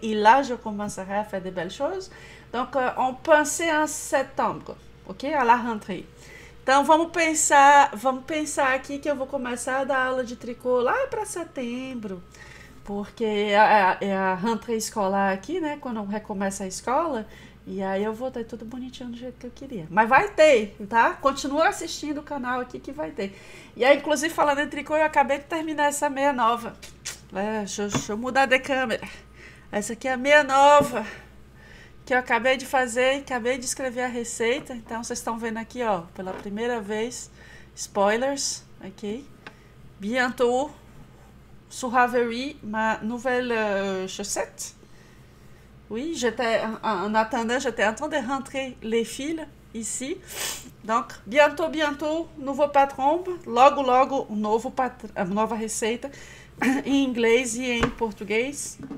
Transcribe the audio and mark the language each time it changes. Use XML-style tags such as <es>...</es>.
<fr>Et là, je commencerai à faire de belles choses. Donc, on pensait en septembre, OK? À la rentrée.</fr> <pt>Então, vamos pensar aqui que eu vou começar a dar aula de tricô lá para setembro. Porque é a rentrée escolar aqui, né? Quando recomeça a escola. E aí eu vou ter tudo bonitinho do jeito que eu queria. Mas vai ter, tá? Continua assistindo o canal aqui que vai ter. E aí, inclusive, falando em tricô, eu acabei de terminar essa meia nova. Deixa eu mudar de câmera. Essa aqui é a meia nova que eu acabei de fazer, acabei de escrever a receita. Então, vocês estão vendo aqui, ó, pela primeira vez.</pt> <fr>Spoilers, ok? Bientôt, surraverie, ma nouvelle chaussette. Oui, en attendant, j'étais en train de rentrer les fils ici. Donc, bientôt, bientôt, nouveau patron.</fr> <pt>Logo, logo, nova receita em inglês e em português.</pt>